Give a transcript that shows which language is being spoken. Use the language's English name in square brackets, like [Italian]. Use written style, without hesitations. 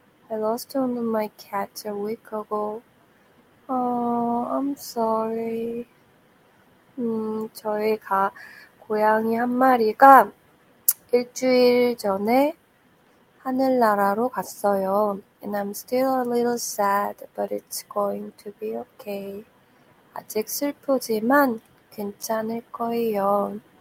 [English] I lost one of my cats a week ago. Oh, I'm sorry. [Korean] 저희 가 고양이 한 마리가 일주일 전에 하늘나라로 갔어요. [English] And I'm still a little sad, but it's going to be okay. [Korean] 아직 슬프지만 괜찮을 거예요.